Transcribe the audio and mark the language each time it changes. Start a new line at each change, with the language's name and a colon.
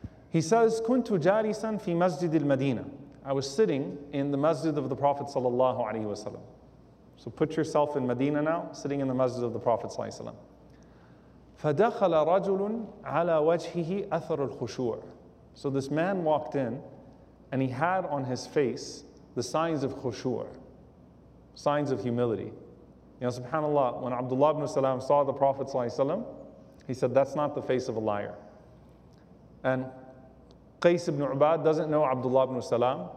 English: He says,
Arabic: كنت جالسا في مسجد المدينة.
English: I was sitting in the masjid of the Prophet sallallahu alayhi wa sallam. So put yourself in Medina now, sitting in the masjid of the Prophet sallallahu alayhi wa sallam.
Arabic: فدخل رجل على وجهه أثر الخشوع.
English: So this man walked in, and he had on his face the signs of khushu, signs of humility. You know, subhanAllah, when Abdullah ibn Salam saw the Prophet sallallahu alayhi wa sallam, he said, that's not the face of a liar. And Qais ibn Ubad doesn't know Abdullah ibn Salam.